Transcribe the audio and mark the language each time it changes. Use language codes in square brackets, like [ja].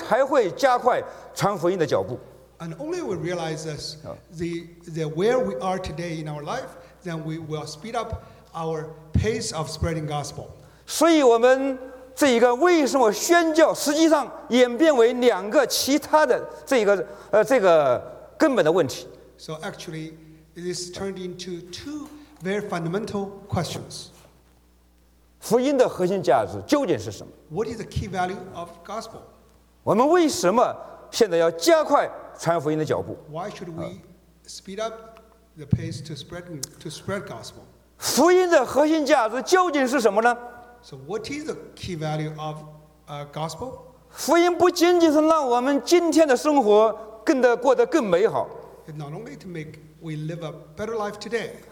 [zh] 而且我们知道今天我们这个时代，我们究竟站在一个什么时代的时候，我们才会加快传福音的脚步。 [en] And only we realize this, the where we are today in our life, then we will speed up our pace of spreading gospel. [zh] 所以我们这一个为什么宣教，实际上演变为两个其他的这个根本的问题。 [en] So actually, this turned into two very fundamental questions. [zh] 福音的核心价值究竟是什么？ [en] What is the key value of gospel? [zh] 我们为什么现在要加快传福音的脚步？ [en] Why should we speed up the pace to spread gospel? [zh] 福音的核心价值究竟是什么呢？ [en] So what is the key value of gospel? [zh] 福音不仅仅是让我们今天的生活过得更美好。 [en] It not only to make we live a better life today.